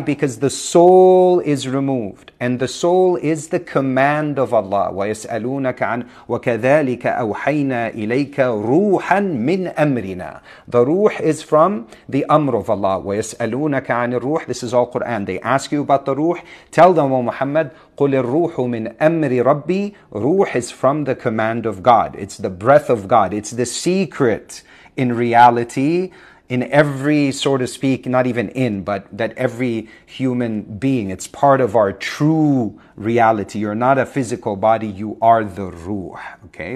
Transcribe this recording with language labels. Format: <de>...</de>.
<en>Because the soul is removed. And the soul is the command of Allah.</en> <ar>وَيَسْأَلُونَكَ عَنْ وَكَذَلِكَ أَوْحَيْنَا إِلَيْكَ رُوحًا مِّنْ أَمْرِنَا.</ar> <en>The ruh is from the amr of Allah.</en> <ar>وَيَسْأَلُونَكَ عَنِ الرُّوحِ.</ar> <en>This is all Quran. They ask you about the ruh. Tell them, O Muhammad,</en> <ar>قُلْ الرُّوحُ مِنْ أَمْرِ رَبِّي.</ar> <en>Ruh is from the command of God. It's the breath of God. It's the secret in reality. In every, so to speak, not even in, but that every human being, it's part of our true reality. You're not a physical body, you are the ruh, okay?</en>